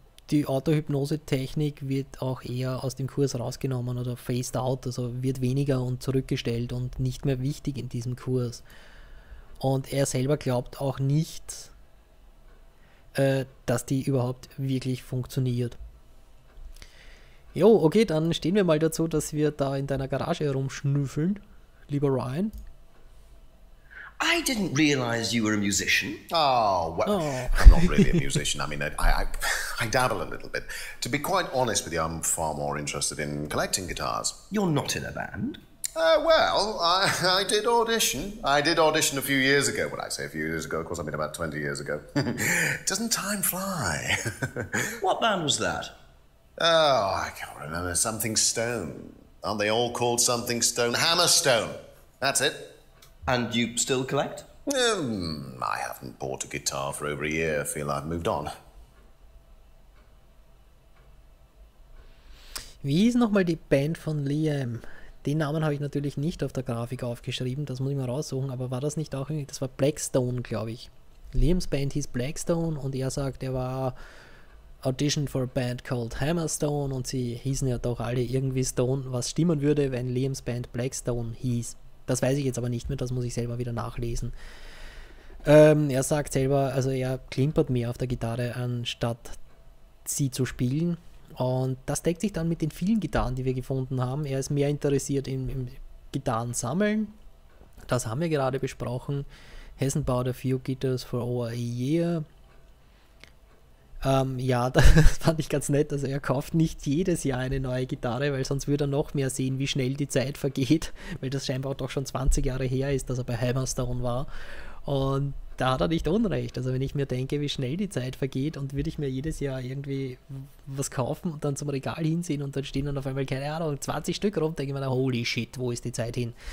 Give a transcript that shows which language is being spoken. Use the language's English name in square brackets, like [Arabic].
[German] die Autohypnose-Technik wird auch eher aus dem Kurs rausgenommen oder phased out, also wird weniger und zurückgestellt und nicht mehr wichtig in diesem Kurs. Und er selber glaubt auch nicht, dass die überhaupt wirklich funktioniert. Jo, okay, dann stehen wir mal dazu, dass wir da in deiner Garage herumschnüffeln, lieber Ryan. [English] I didn't realize you were a musician. Oh, well, oh. I'm not really a musician. I mean, I dabble a little bit. To be quite honest with you, I'm far more interested in collecting guitars. You're not in a band. Well, I did audition. I did audition a few years ago. When I say a few years ago, of course, I mean about 20 years ago. Doesn't time fly? What band was that? Oh, I can't remember. Something Stone. Aren't they all called Something Stone? Hammerstone. That's it. And you still collect? I haven't bought a guitar for over a year. I feel I've moved on. [German] Wie hieß nochmal die Band von Liam? Den Namen habe ich natürlich nicht auf der Grafik aufgeschrieben. Das muss ich mal raussuchen. Aber war das nicht auch irgendwie? Das war Blackstone, glaube ich. Liams Band hieß Blackstone und er sagt, er war [English] Audition for a band called Hammerstone [German] und sie hießen ja doch alle irgendwie Stone, was stimmen würde, wenn Liams Band Blackstone hieß. Das weiß ich jetzt aber nicht mehr, das muss ich selber wieder nachlesen. Er sagt selber, also er klimpert mehr auf der Gitarre, anstatt sie zu spielen. Und das deckt sich dann mit den vielen Gitarren, die wir gefunden haben. Er ist mehr interessiert im Gitarren sammeln. Das haben wir gerade besprochen. [English] Hasn't bought a few guitars for over a year. [German] Ja, das fand ich ganz nett. Also er kauft nicht jedes Jahr eine neue Gitarre, weil sonst würde er noch mehr sehen, wie schnell die Zeit vergeht, weil das scheinbar auch doch schon 20 Jahre her ist, dass er bei Hammerstone war. Und da hat er nicht Unrecht. Also wenn ich mir denke, wie schnell die Zeit vergeht und würde ich mir jedes Jahr irgendwie was kaufen und dann zum Regal hinsehen und dann stehen dann auf einmal, keine Ahnung, 20 Stück rum, denke ich mir, [English] holy shit, [German] wo ist die Zeit hin?